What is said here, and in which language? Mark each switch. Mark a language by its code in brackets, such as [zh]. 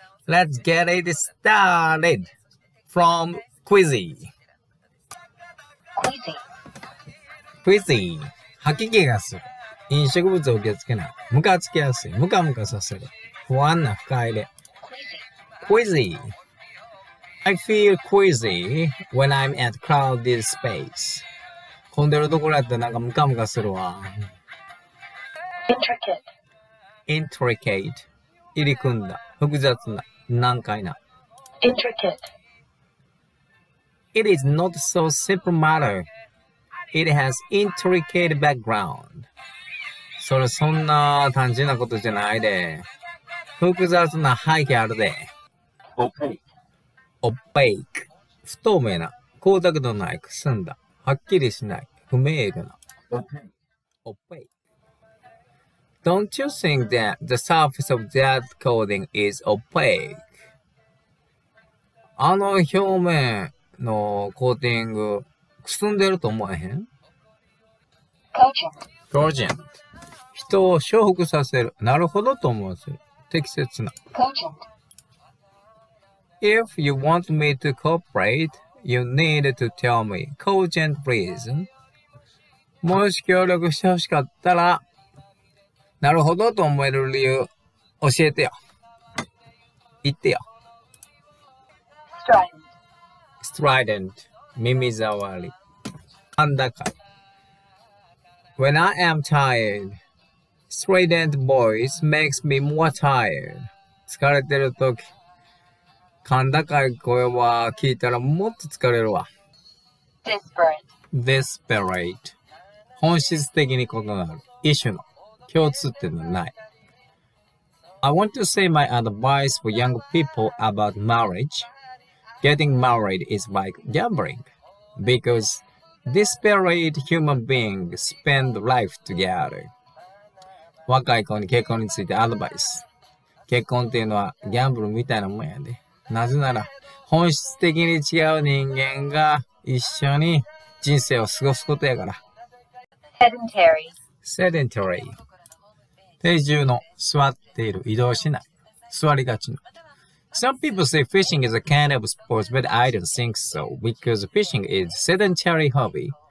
[en] Let's get it started from Quizzy。 [ja] Quizzy、吐き気がする。飲食物を受け付けない。ムカつきやすい。ムカムカさせる。不安な深入れ。Quizzy。 [en] I feel queasy when I'm at crowded space. [ja] 混んでるところやったらなんかムカムカするわ。 [en] Intricate. [ja] 入り組んだ。複雑な。難解な。 [en] Intricate. It is not so simple matter. It has intricate background. [ja] それそんな単純なことじゃないで。複雑な背景あるで。 [en] Okay. [ja] Opaque 不透明な光沢のないくすんだはっきりしない不明瞭な [en] Opaque Don't you think that the surface of that coating is opaque? [ja] あの表面のコーティングくすんでると思えへん [en] Cogent [ja] 人を重複させるなるほどと思わせる適切な [en] Cogent If you want me to cooperate, you need to tell me cogent reason. [ja] もし協力してほしかったら、なるほどと思える理由、教えてよ。言ってよ。 [en] Strident. [ja] Strident. 耳障り。なんだか。 [en] When I am tired, strident voice makes me more tired. [ja] 疲れてるとき。甲高い声は聞いたらもっと疲れるわ。 [en] Desperate. [ja] 本質的に異なる。一種の。共通点のない。 [en] I want to say my advice for young people about marriage. Getting married is like gambling. Because desperate human beings spend life together. [ja] 若い子に結婚についてアドバイス。結婚っていうのはギャンブルみたいなもんやで。なぜなら本質的に違う人間が一緒に人生を過ごすことやから。 [en] Sedentary [ja] 定住の座っている移動しない座りがちの。 [en] Some people say fishing is a kind of sports, but I don't think so because fishing is sedentary hobby.